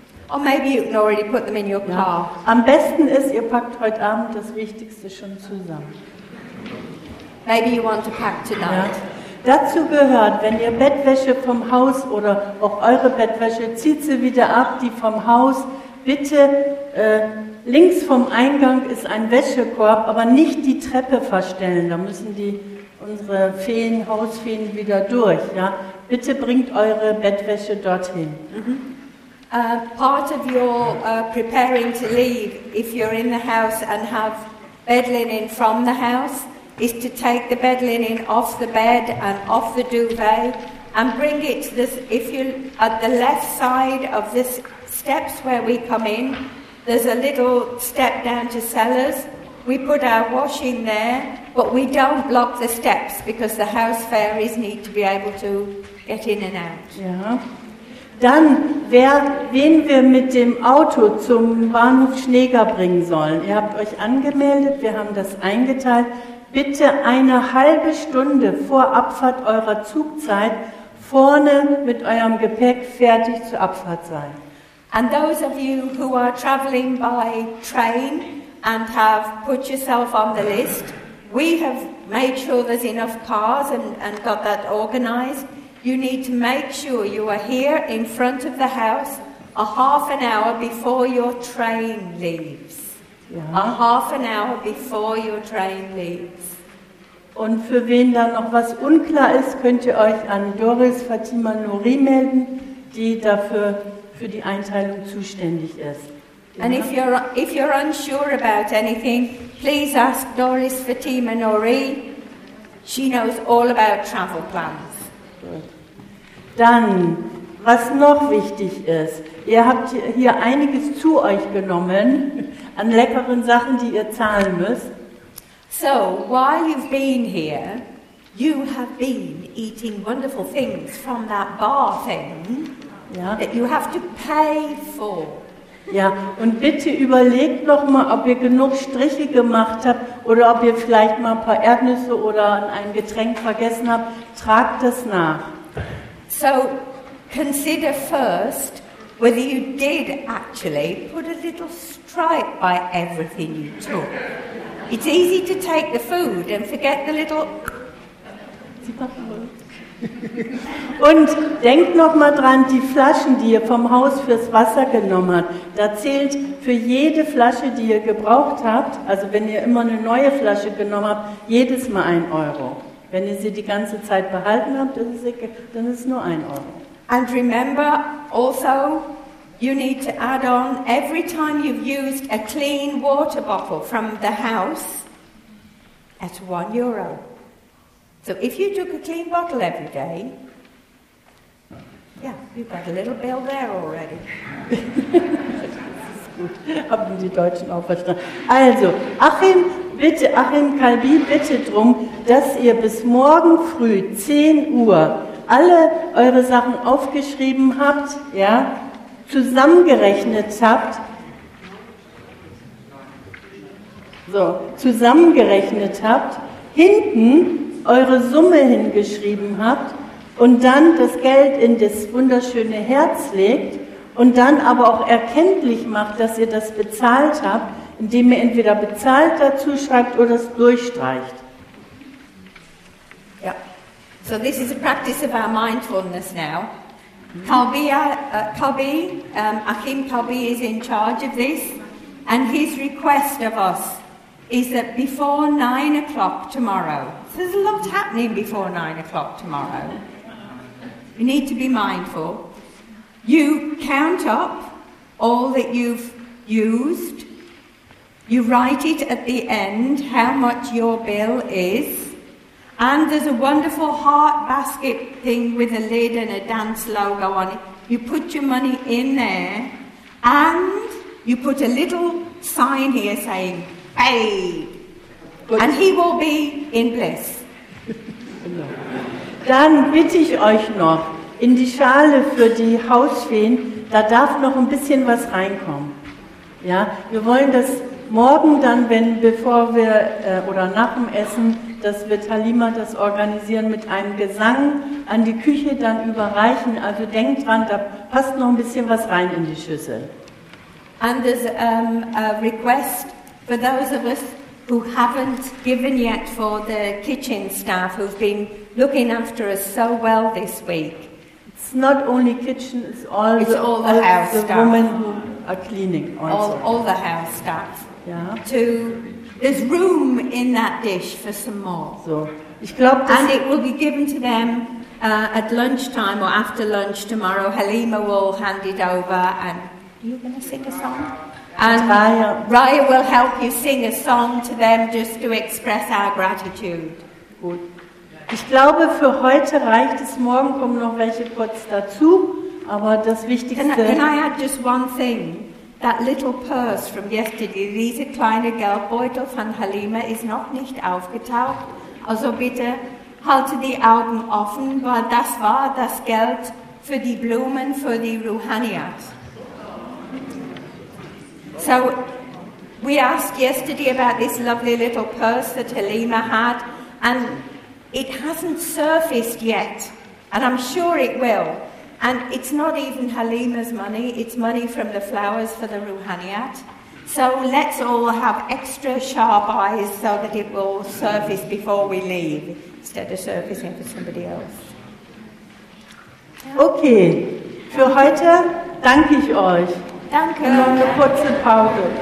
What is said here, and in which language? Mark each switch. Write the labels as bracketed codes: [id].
[en] Or maybe you can already put them in your car. Ja. [de] Am besten ist, ihr packt heute Abend das Wichtigste schon zusammen. [en] Maybe you want to pack tonight. [de] Ja. Dazu gehört, wenn ihr Bettwäsche vom Haus oder auch eure Bettwäsche, zieht sie wieder ab, die vom Haus. Bitte, links vom Eingang ist ein Wäschekorb, aber nicht die Treppe verstellen. Da müssen die unsere Feen, Hausfeen wieder durch. Ja? Bitte bringt eure Bettwäsche dorthin. Mhm. [en] Part of your preparing to leave, if you're in the house and have bed linen from the house, is to take the bed linen off the bed and off the duvet and bring it to this, if you at the left side of this steps where we come in, there's a little step down to cellars. We put our washing there, but we don't block the steps because the house fairies need to be able to get in and out. [de] Ja. Dann, wen wir mit dem Auto zum Bahnhof Schneger bringen sollen. Ihr habt euch angemeldet, wir haben das eingeteilt. Bitte eine halbe Stunde vor Abfahrt eurer Zugzeit vorne mit eurem Gepäck fertig zur Abfahrt sein. [en] And those of you who are traveling by train and have put yourself on the list, we have made sure there's enough cars and got that organized. You need to make sure you are here in front of the house a half an hour before your train leaves. Ja. A half an hour before your train leaves. [de] Und für wen da noch was unklar ist, könnt ihr euch an Doris Fatima Nouri melden, die dafür für die Einteilung zuständig ist. [en] And if you're unsure about anything, please ask Doris Fatima Nouri. She knows all about travel plans. [de] Dann, was noch wichtig ist, ihr habt hier einiges zu euch genommen an leckeren Sachen, die ihr zahlen müsst. [en] So, while you've been here, you have been eating wonderful things from that bar thing. Ja. That you have to pay for. [de] Ja, und bitte überlegt noch mal, ob ihr genug Striche gemacht habt oder ob ihr vielleicht mal ein paar Erdnüsse oder ein Getränk vergessen habt. Tragt das nach. [en] So, consider first whether you did actually put a little stripe by everything you took. It's easy to take the food and forget the little... [de] Und denkt noch mal dran, die Flaschen, die ihr vom Haus fürs Wasser genommen habt, da zählt für jede Flasche, die ihr gebraucht habt, also wenn ihr immer eine neue Flasche genommen habt, jedes Mal 1 Euro. Wenn ihr sie die ganze Zeit behalten habt, dann ist es nur 1 Euro. [en] And remember also, you need to add on, every time you've used a clean water bottle from the house, at 1 Euro. So if you took a clean bottle every day, yeah, you've got a little bill there already. [de] Haben die Deutschen auch verstanden. Also, Achim Kalbi, bitte drum, dass ihr bis morgen früh, 10 Uhr, alle eure Sachen aufgeschrieben habt, ja, zusammengerechnet habt. So, zusammengerechnet habt, hinten eure Summe hingeschrieben habt und dann das Geld in das wunderschöne Herz legt und dann aber auch erkenntlich macht, dass ihr das bezahlt habt, indem ihr entweder bezahlt dazu schreibt oder es durchstreicht. Ja. [en] So this is a practice of our mindfulness now. Achim Kalbi is in charge of this and his request of us is that before 9 o'clock tomorrow, so there's a lot happening before 9 o'clock tomorrow, you need to be mindful, you count up all that you've used, you write it at the end how much your bill is, and there's a wonderful heart basket thing with a lid and a dance logo on it, you put your money in there, and you put a little sign here saying, hey. And he will be in bliss. [de] Dann bitte ich euch noch, in die Schale für die Hausfeen, da darf noch ein bisschen was reinkommen. Ja, wir wollen das morgen dann, bevor wir nach dem Essen, dass wir Talima das organisieren, mit einem Gesang an die Küche dann überreichen. Also denkt dran, da passt noch ein bisschen was rein in die Schüssel. [en] And there's a request for those of us who haven't given yet for the kitchen staff who've been looking after us so well this week. It's not only kitchen, it's all the house staff. Women who are cleaning also. All the house staff. Yeah. There's room in that dish for some more. [de] So, ich glaub, [en] and it will be given to them at lunchtime or after lunch tomorrow. Halima will hand it over. And are you going to sing a song? And Raya will help you sing a song to them just to express our gratitude. [de] Gut. Ich glaube, für heute reicht es. Morgen kommen noch welche kurz dazu. Aber das Wichtigste. [en] Can I add just one thing? That little purse from yesterday, [de] diese kleine Geldbeutel von Halima, ist noch nicht aufgetaucht. Also bitte halte die Augen offen, weil das war das Geld für die Blumen für die Ruhaniyat. [en] So, we asked yesterday about this lovely little purse that Halima had, and it hasn't surfaced yet, and I'm sure it will. And it's not even Halima's money, it's money from the flowers for the Ruhaniyat. So let's all have extra sharp eyes so that it will surface before we leave, instead of surfacing for somebody else. [de] Okay, für heute danke ich euch. Danke. Und noch eine kurze Pause.